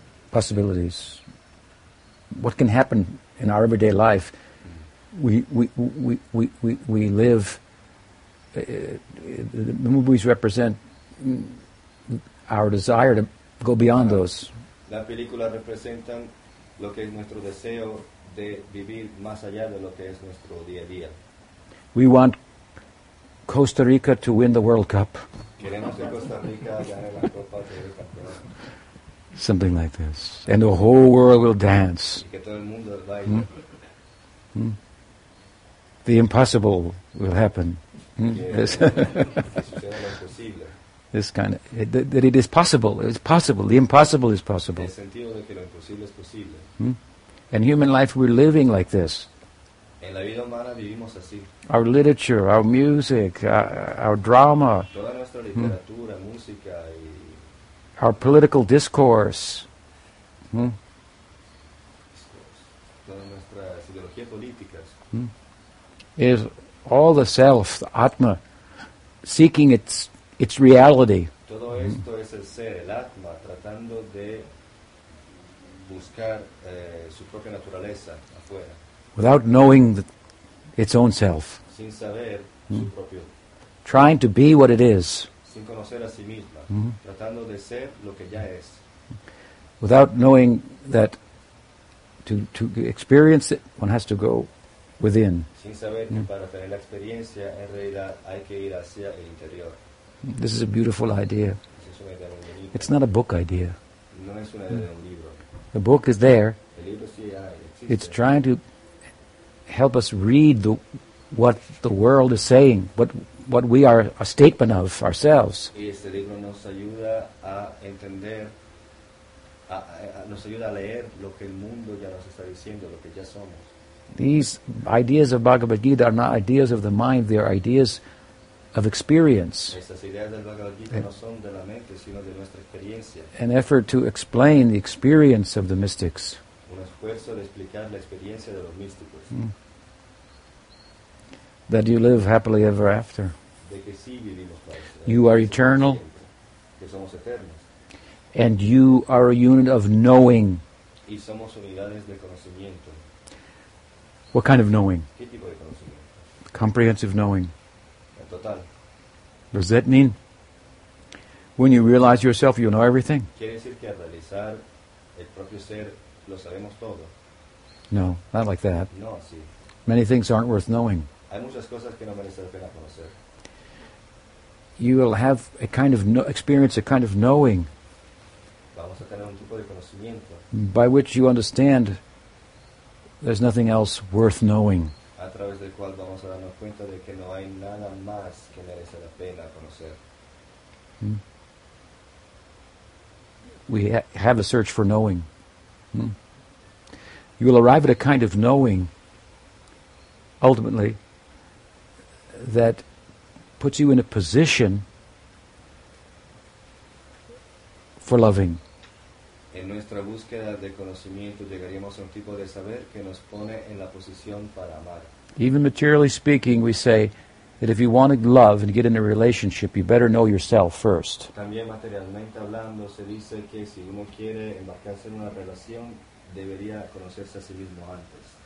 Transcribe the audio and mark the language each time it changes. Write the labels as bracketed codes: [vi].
[en] possibilities. What can happen in our everyday life? We live. The movies represent our desire to go beyond those. [es] Las películas representan lo que es nuestro deseo de vivir más allá de lo que es nuestro día a día. [en] We want Costa Rica to win the World Cup. [es] Queremos que Costa Rica gane la Copa del Campeón. [en] Something like this, and the whole world will dance. [es] Y que todo el mundo baile. [en] The impossible will happen. This kind of that it is possible. It's possible. The impossible is possible. [es] En el sentido de que lo imposible es posible. [en] And human life, we're living like this. [es] En la vida humana vivimos así. [en] Our literature, our music, our drama, [es] toda nuestra literatura, música y [en] our political discourse. [es] Toda nuestras ideologías políticas. [en] Is all the self, the Atma, seeking its reality. [es] Todo esto es el ser, el Atma, tratando de buscar su propia naturaleza afuera. [en] Without knowing its own self. [es] Sin saber su propio. [en] Trying to be what it is. [es] Sin conocer a sí misma. Tratando de ser lo que ya es. [en] Without knowing that to experience it, one has to go within. [es] Sin saber que para tener la experiencia, en realidad hay que ir hacia el interior. [en] This is a beautiful idea. [es] Es una idea muy bonita. [en] It's not a book idea. [es] No [en] The book is there. [es] El libro sí hay, [en] it's trying to help us read what the world is saying, what we are a statement of ourselves. [es] Y este libro nos ayuda a entender, nos ayuda a leer lo que el mundo ya nos está diciendo, lo que ya somos. [en] These ideas of Bhagavad Gita are not ideas of the mind, they are ideas of experience. [es] Estas ideas del Bhagavad Gita no son de la mente, sino de nuestra experiencia. [en] An effort to explain the experience of the mystics. [es] Un esfuerzo de explicar la experiencia de los místicos. Mm. [en] That you live happily ever after. [es] De que sí vivimos para eso. [en] You are eternal. [es] Que somos eternos. [en] And you are a unit of knowing. [es] Y somos unidades de conocimiento. [en] What kind of knowing? [es] ¿Qué tipo de conocimiento? [en] Comprehensive knowing. [es] En total. [en] Does that mean? When you realize yourself, you know everything? [es] ¿Quiere decir que al realizar el propio ser, lo sabemos todo? [en] No, not like that. [es] No, sí. [en] Many things aren't worth knowing. [es] Hay muchas cosas que no merece la pena conocer. [en] You will have a kind of experience, a kind of knowing. [es] Vamos a tener un tipo de conocimiento. [en] By which you understand there's nothing else worth knowing. [es] A través del cual vamos a darnos cuenta de que no hay nada más que merece la pena conocer. Hmm. [en] We have a search for knowing. Hmm. You will arrive at a kind of knowing, ultimately, that puts you in a position for loving. [es] En nuestra búsqueda de conocimiento llegaríamos a un tipo de saber que nos pone en la posición para amar. [en] Even materially speaking, we say that if you want to love and get in a relationship, you better know yourself first. [es] También materialmente hablando, se dice que si uno quiere embarcarse en una relación, debería conocerse a sí mismo antes.